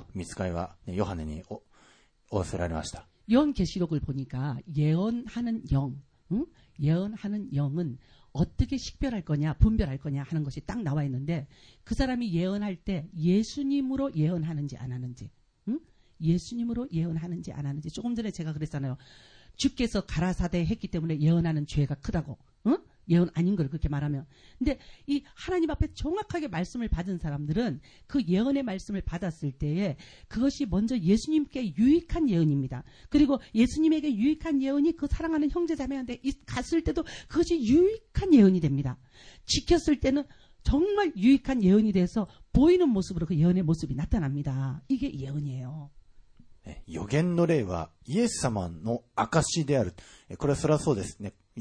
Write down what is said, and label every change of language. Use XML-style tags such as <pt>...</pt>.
<ja>予言をする人も受ける人も本当に気をつけて、これはね、いただいたものだけを伝えるべきであって、いただいてないものを言ったりしちゃいけないんです。現代において予言はどういうものか、黙示録にですね、予言の霊はイエスの証であるとミツカイはヨハネにおっしゃられました。</ja> <ko>4계시록을 보니까 예언하는 영, 응? 예언하는 영은 어떻게 식별할 거냐, 분별할 거냐 하는 것이 딱 나와 있는데 그 사람이 예언할 때 예수님으로 예언하는지 안 하는지, 응? 예수님으로 예언하는지 안 하는지 조금 전에 제가 그랬잖아요. 주께서 가라사대 했기 때문에 예언하는 죄가 크다고, 응? 예언 아닌 걸 그렇게 말하면. 근데 이 하나님 앞에 정확하게 말씀을 받은 사람들은 그 예언의 말씀을 받았을 때에 그것이 먼저 예수님께 유익한 예언입니다. 그리고 예수님에게 유익한 예언이 그 사랑하는 형제 자매한테 갔을 때도 그것이 유익한 예언이 됩니다. 지켰을 때는 정말 유익한 예언이 돼서 보이는 모습으로 그 예언의 모습이 나타납니다. 이게 예언이에요.</ko> <ja>予言の霊はイエス様の証である。これはそれはそうですね。</ja>